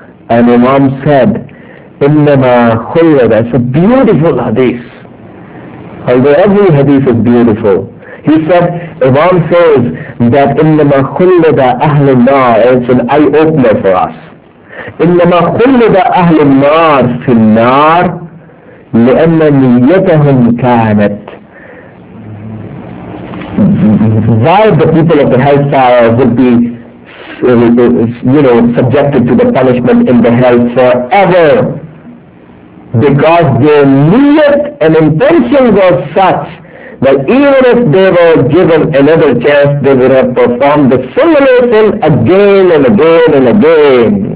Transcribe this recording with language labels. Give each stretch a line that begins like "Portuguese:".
English: And Imam said,
Arabic: إِنَّمَا خُلَّ.
English: That's a beautiful hadith. Although every hadith is beautiful. He said, Imam says that
Arabic: إِنَّمَا خُلَّ أَهْلُ النَّارِ.
English: It's an eye-opener for us.
Arabic: إِنَّمَا خُلِّدَ أَهْلِ النَّارِ فِي النَّارِ. لأن نيتهم كانت
English: why the people of the hellfire would be you know subjected to the punishment in the hell forever because their niyat and intention was such that even if they were given another chance they would have performed the similar thing again and again and again.